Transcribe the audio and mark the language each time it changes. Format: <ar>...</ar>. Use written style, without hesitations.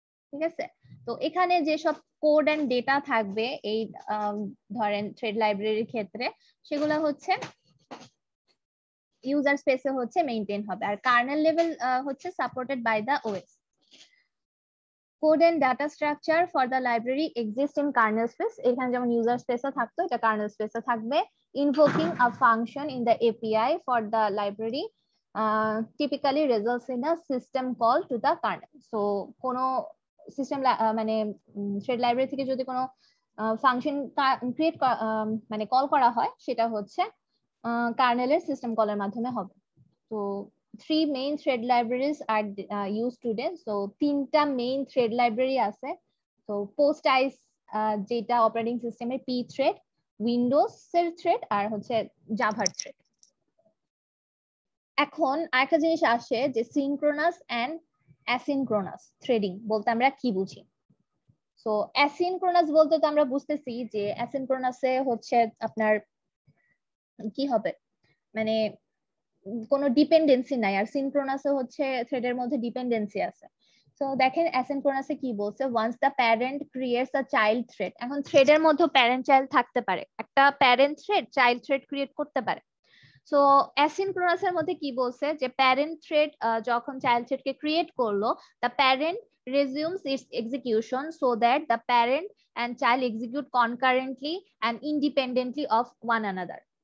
<bn>ঠিক আছে, তো এখানে যেসব কোড এন্ড ডেটা থাকবে এই ধরেন থ্রেড লাইব্রেরির ক্ষেত্রে সেগুলো হচ্ছে ইউজার স্পেসে হচ্ছে মেইনটেইন হবে, আর কার্নেল লেভেল হচ্ছে</bn> <en>Supported by the OS. Code and data structure for the library exists in kernel space.</en> <bn>এখানে যেমন user space থাকতো, এটা kernel space থাকবে.</bn> <en>Invoking a function in the API for the library typically results in a system call to the kernel.</en> <bn>So কোনো system মানে thread library থেকে যদি কোনো function create মানে call করা হয় সেটা হচ্ছে kernel-এর system call-এর মাধ্যমে হবে। তো</bn> <en>three main thread libraries are used today.</en> <bn>So tinta main thread library ase, so PostIce data operating system er pthread, windows er thread ar hocche java thread. Ekhon ekta jinish ashe je synchronous and asynchronous threading bolte amra ki bujhi. So asynchronous bolte to amra bujhtechi je asynchronous e hocche apnar ki hobe mane কোনো dependency নাই, আর সিনক্রোনাসে হচ্ছে থ্রেডের মধ্যে dependency আছে। So দেখেন অ্যাসিনক্রোনাসে কি বলছে,</bn> <en>once the parent creates a child thread,</en> <bn>এখন থ্রেডের মধ্যে প্যারেন্ট চাইল্ড থাকতে পারে, একটা parent thread child thread create করতে পারে। সো অ্যাসিনক্রোনাসের মধ্যে কি বলছে যে প্যারেন্ট থ্রেড যখন চাইল্ড থ্রেডকে ক্রিয়েট করলো,</bn> <en>The parent resumes its execution so that the parent and child execute concurrently and independently of one another.</en>